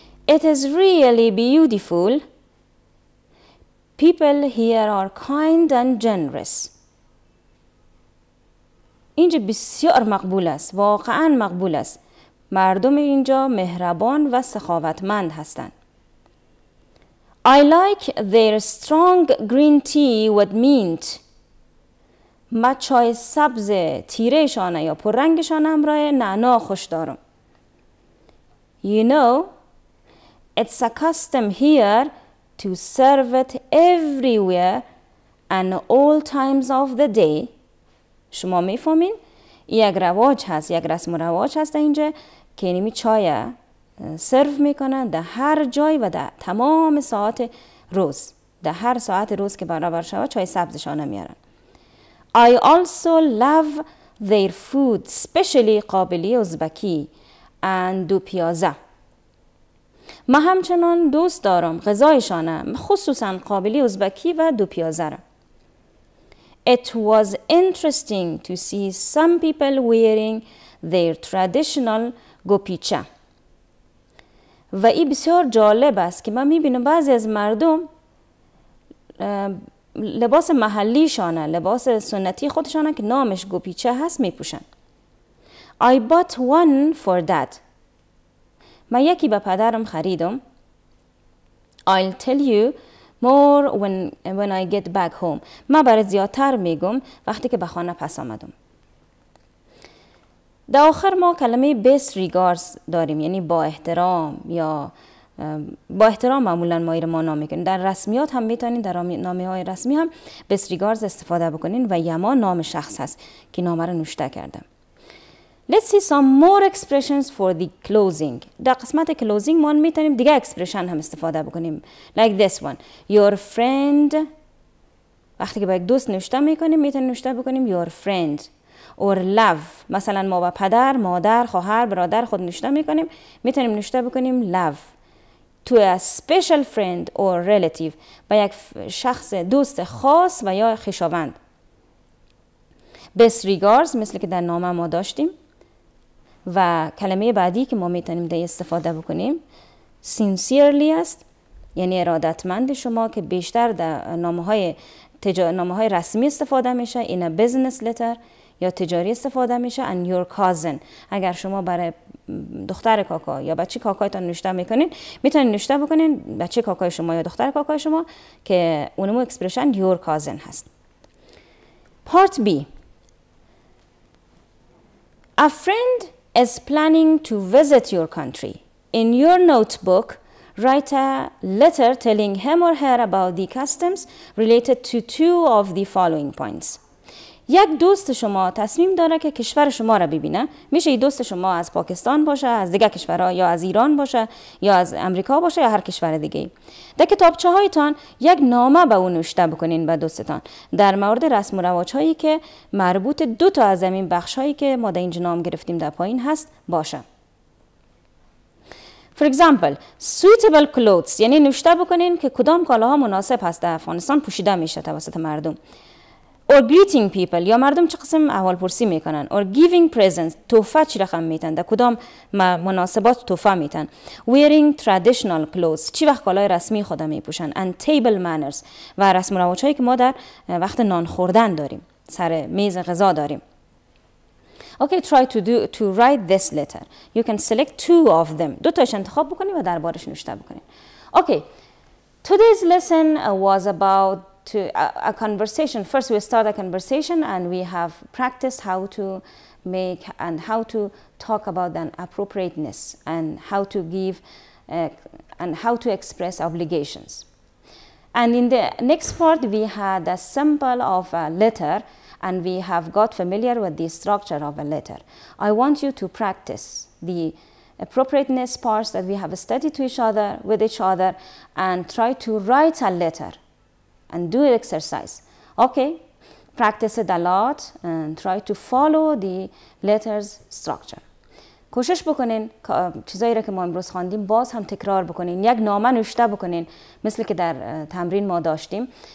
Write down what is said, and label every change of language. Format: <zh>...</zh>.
<en>It is really beautiful. People here are kind and generous.</en> <fa>اینجا بسیار مقبول است. واقعا مقبول است. مردم اینجا مهربان و سخاوتمند هستند.</fa> <en>I like their strong green tea with mint.</en> <fa>ما چای سبز تیره شانه یا پررنگ شانه امرای نعنا خوش دارم.</fa> <en>You know, it's a custom here to serve it everywhere and all times of the day.</en> <fa>شما می فهمین؟ یک رواج هست، یک رسم و رواج هست اینجا که نمی چایه. سرو میکنن در هر جای و در تمام ساعت روز، در هر ساعت روز که برابر شود چای سبزشانه میارن.</fa> <en>I also love their food, especially Kabuli Uzbeki and dopiaza.</en> <fa>من همچنان دوست دارم غذایشانه، خصوصا قابلی ازبکی و دو پیازه را.</fa> <en>It was interesting to see some people wearing their traditional گوپیچه.</en> <fa>و این بسیار جالب است که من میبینم بعضی از مردم لباس محلیشانه، لباس سنتی خودشانه که نامش گوپیچه هست میپوشن.</fa> <en>I bought one for that.</en> <fa>من یکی به پدرم خریدم.</fa> <en>I'll tell you more when I get back home.</en> <fa>من برات زیادتر میگم وقتی که به خانه پس آمدم. در آخر ما کلمه best regards داریم، یعنی با احترام، یا با احترام معمولا ما ایر ما نام میکنیم. در رسمیات هم میتونید، در نامه های رسمی هم best regards استفاده بکنین و یما نام شخص هست که نامه رو نوشته کرده.</fa> <en>Let's see some more expressions for the closing.</en> <fa>در قسمت closing ما میتونیم دیگه expression هم استفاده بکنیم.</fa> <en>Like this one. Your friend.</en> <fa>وقتی که با یک دوست نوشته میکنیم میتونیم نوشته بکنیم your friend.</fa> <en>Or love.</en> <fa>مثلا ما با پدر، مادر، خواهر، برادر خود نوشته میکنیم. میتونیم نوشته بکنیم love.</fa> <en>To a special friend or relative.</en> <fa>با یک شخص دوست خاص و یا خویشاوند. Best regards مثل که در نامه ما داشتیم. و کلمه بعدی که ما میتونیم در استفاده بکنیم sincerely است، یعنی ارادتمند شما، که بیشتر در نامه های رسمی استفاده میشه.</fa> <en>In a business letter</en> <fa>یا تجاری استفاده میشه.</fa> <en>And your cousin،</en> <fa>اگر شما برای دختر کاکا یا بچه کاکایتان نوشته میکنین، میتونین نوشته بکنین بچه کاکای شما یا دختر کاکای شما، که اونمو expression your cousin هست.</fa> <en>Part B. A friend is planning to visit your country. In your notebook, write a letter telling him or her about the customs related to two of the following points.</en> <fa>یک دوست شما تصمیم داره که کشور شما را ببینه. میشه این دوست شما از پاکستان باشه، از دیگه کشورها، یا از ایران باشه، یا از امریکا باشه، یا هر کشور دیگه. در کتابچه هایتان یک نامه به اون نوشته بکنین به دوستتان در مورد رسم و رواج هایی که مربوط دو تا از این بخش هایی که ما در اینجا نام گرفتیم در پایین هست باشه.</fa> <en>For example, suitable clothes،</en> <fa>یعنی نوشته بکنین که کدام کالاها مناسب هست در افغانستان پوشیده میشه توسط مردم.</fa> <en>Or greeting people،</en> <fa>یا مردم چه قسم احوال پرسی میکنن.</fa> <en>Or giving presents،</en> <fa>تحفه چی رقم میتن، در کدام مناسبات تحفه میتن.</fa> <en>Wearing traditional clothes،</en> <fa>چی وقت کالای رسمی خود میپوشن.</fa> <en>And table manners،</en> <fa>و رسم و رواج هایی که ما در وقت نان خوردن داریم، سر میز غذا داریم.</fa> <en>Okay, try to write this letter. You can select two of them،</en> <fa>دو تاش انتخاب بکنیم و دربارش نوشته بکنیم.</fa> <en>Okay, today's lesson was about to a conversation. First we start a conversation and we have practiced how to make and how to talk about an appropriateness and how to give and how to express obligations. And in the next part we had a sample of a letter and we have got familiar with the structure of a letter. I want you to practice the appropriateness parts that we have studied with each other and try to write a letter. And do an exercise. Okay, practice it a lot and try to follow the letters structure.</en> <fa>کوشش بکنین چیزایی را که ما امروز خواندیم باز هم تکرار بکنین. یک نامه نوشته بکنین مثل که در تمرین ما داشتیم.</fa>